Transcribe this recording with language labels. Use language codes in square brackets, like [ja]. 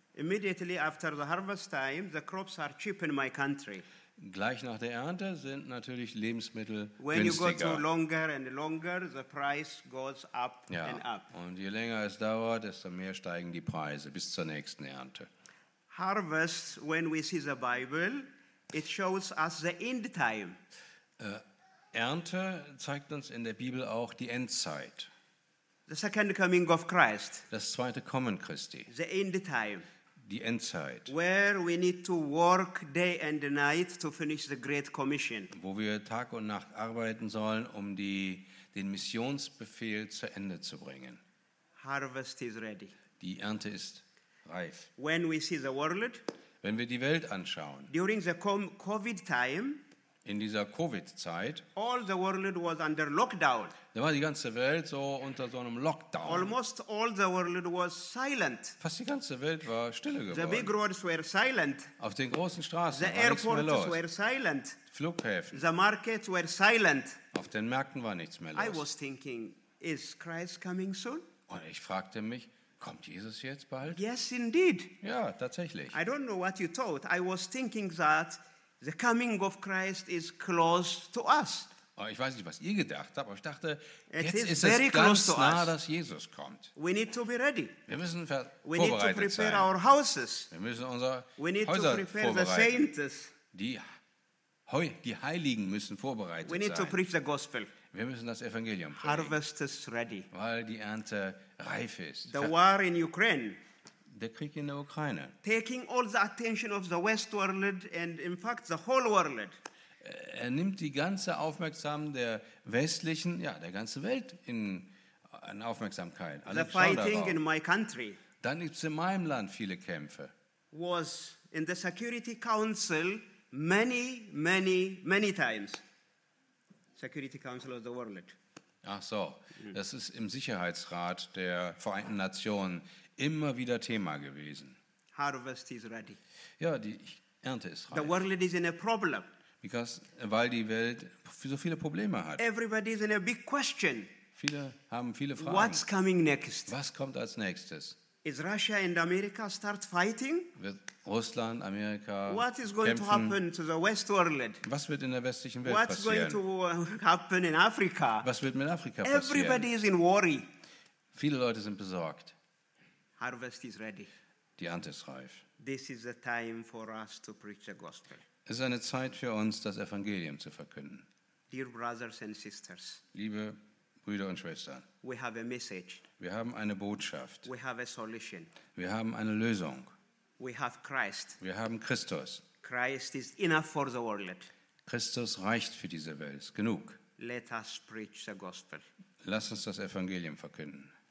[en] Immediately after the harvest time, the crops are cheap in my country. [de] Gleich nach der Ernte sind natürlich Lebensmittel günstiger. [en] When you go through longer and longer, the price goes up and up. [de] Und je länger es dauert, desto mehr steigen die Preise bis zur nächsten Ernte. [en] Harvest, when we see the Bible, it shows us the end time. [de] Ernte zeigt uns in der Bibel auch die Endzeit. [en] The second coming of Christ. [de] Das zweite Kommen Christi. [en] The end time. [de] Die Endzeit. [en] Where we need to work day and night to finish the Great Commission. [de] Wo wir Tag und Nacht arbeiten sollen, um den Missionsbefehl zu Ende zu bringen. [en] Harvest is ready. [de] Die Ernte ist reif. [en] When we see the world. [de] Wenn wir die Welt anschauen. [en] During the COVID time. [de] In dieser Covid-Zeit, [en] all the world was under lockdown. [de] Da war die ganze Welt so unter so einem Lockdown. [en] Almost all the world was silent. [de] Fast die ganze Welt war stille geworden. [en] The big roads were silent. [de] Auf den großen Straßen [en] the [de] war nichts mehr los. [en] The airports were silent. [de] Flughäfen. [en] The markets were silent. [de] Auf den Märkten war nichts mehr los. [en] I was thinking, is Christ coming soon? [de] Und ich fragte mich, kommt Jesus jetzt bald? [en] Yes, indeed. [de] Ja, tatsächlich. [en] I don't know what you thought. I was thinking that the coming of Christ is close to us. [de] Ich weiß nicht, was ihr gedacht habt, aber ich dachte, jetzt ist es ganz nah, dass Jesus kommt. [en] We need to be ready. [de] Wir müssen vorbereitet sein. [en] We need to prepare our houses. [de] Wir müssen unsere Häuser [en] We need to prepare the saints. [de] Die Heiligen müssen vorbereitet sein. [en] We need to preach the gospel. [de] Wir müssen das Evangelium predigen. [en] Harvest is ready. [de] Weil die Ernte reif ist. [en] The war in Ukraine. [de] Der Krieg in der Ukraine. [en] Taking all the attention of the West world and in fact the whole world. [de] Er nimmt die ganze Aufmerksamkeit der westlichen, ja, der ganzen Welt in Aufmerksamkeit. [en] The fighting in my country. [de] Dann gibt es in meinem Land viele Kämpfe. [en] Was in the Security Council many, many, many times. Security Council of the world. [de] Ach so, das ist im Sicherheitsrat der Vereinten Nationen immer wieder Thema gewesen. [en] Harvest is ready. [de] Ja, die Ernte ist reif. [en] The world is in a problem. [de] Weil die Welt so viele Probleme hat. [en] Everybody is in a big question. [de] Viele haben viele Fragen. [en] What's coming next? [de] Was kommt als nächstes? [en] Is Russia and America start fighting? [de] Wird Russland, Amerika kämpfen? [en] What is going to happen to the West world? [de] Was wird in der westlichen Welt [en] What's [de] passieren? [en] What's going to happen in Africa? [de] Was wird mit Afrika passieren? [en] Everybody is in worry. [de] Viele Leute sind besorgt. [en] Harvest is ready. [de] Die Ernte ist reif. [en] This is the time for us to preach the gospel. [de] Es ist eine Zeit für uns, das Evangelium zu verkünden. [en] Dear brothers and sisters. [de] Liebe Brüder und Schwestern. [en] We have a message. [de] Wir haben eine Botschaft. [en] We have a solution. [de] Wir haben eine Lösung. [en] We have Christ. [de] Wir haben Christus. [en] Christ is enough for the world. [de] Christus reicht für diese Welt. Ist genug. [en] Let us preach the gospel. [de] Lass uns das Evangelium verkünden.